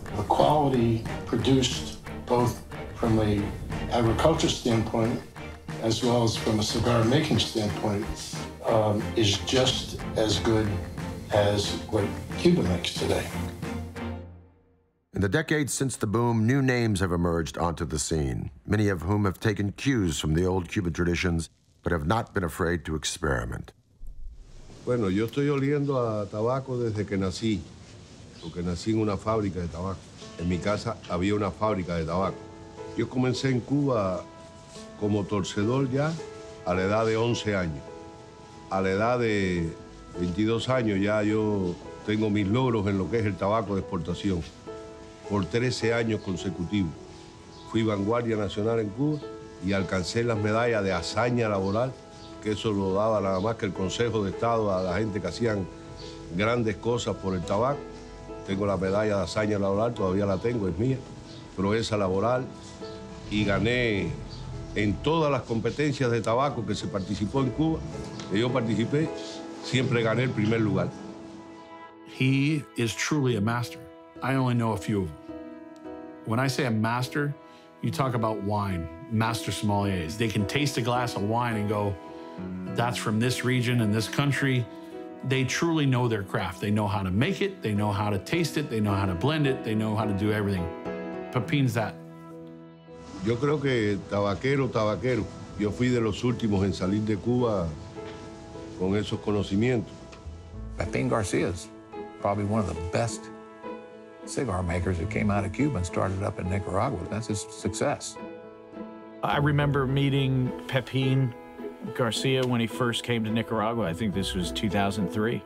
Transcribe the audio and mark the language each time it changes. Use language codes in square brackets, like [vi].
[en] The quality produced both from an agriculture standpoint as well as from a cigar making standpoint is just as good as what Cuba makes today. In the decades since the boom, new names have emerged onto the scene, many of whom have taken cues from the old Cuban traditions, but have not been afraid to experiment. [es] Bueno, yo estoy oliendo a tabaco desde que nací, porque nací en una fábrica de tabaco. En mi casa había una fábrica de tabaco. Yo comencé en Cuba como torcedor ya a la edad de 11 años. A la edad de 22 años ya yo tengo mis logros en lo que es el tabaco de exportación. Por 13 años consecutivos fui vanguardia nacional en Cuba y alcancé las medallas de hazaña laboral, que eso lo daba nada más que el Consejo de Estado a la gente que hacían grandes cosas por el tabaco. Tengo la medalla de hazaña laboral, todavía la tengo, es mía, proeza laboral, y gané en todas las competencias de tabaco que se participó en Cuba, que yo participé, siempre gané el primer lugar. [en] He is truly a master. I only know a few of them. When I say a master, you talk about wine, master sommeliers. They can taste a glass of wine and go, that's from this region and this country. They truly know their craft. They know how to make it. They know how to taste it. They know how to blend it. They know how to do everything. Pepin's that. [es] Yo creo que tabaquero. Yo fui de los últimos en salir de Cuba con esos conocimientos. [en] Pepin Garcia's probably one of the best cigar makers who came out of Cuba and started up in Nicaragua. That's his success. I remember meeting Pepin Garcia when he first came to Nicaragua. I think this was 2003.